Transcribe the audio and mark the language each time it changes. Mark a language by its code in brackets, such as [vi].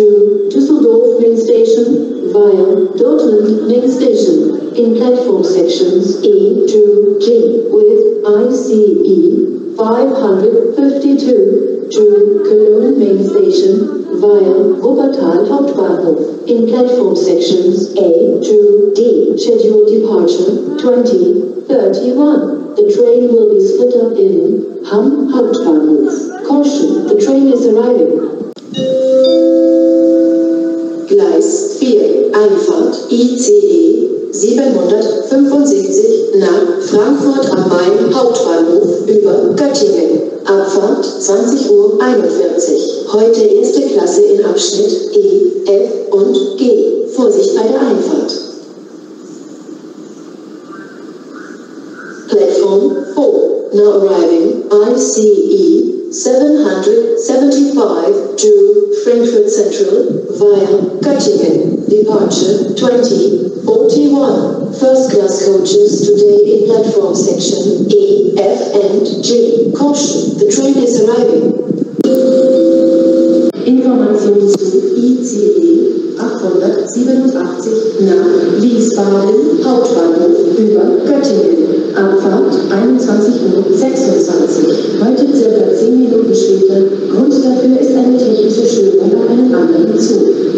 [en] to Düsseldorf Main Station via Dortmund Main Station in platform sections E to G with ICE 552 to Cologne Main Station via Wuppertal Hauptbahnhof in platform sections A to D. Scheduled departure 2031. The train will be split up in Hamm Hauptbahnhof. Caution, the train is arriving. [de] Gleis 4, Einfahrt ICE 775 nach Frankfurt am Main Hauptbahnhof über Göttingen. Abfahrt 20.41 Uhr. Heute erste Klasse in Abschnitt E, F und G. Vorsicht bei der Einfahrt. [en] Platform 4. Now arriving ICE 775 to Frankfurt Central via Göttingen. Departure 2041. First class coaches today in platform section E, F and G. Caution, the train is arriving. [de] Information zu ICE 887 nach Wiesbaden Hauptbahnhof über Göttingen. Abfahrt 21.26 Uhr. Heute circa 10 Minuten später. Grund dafür ist eine technische Störung bei einem anderen Zug.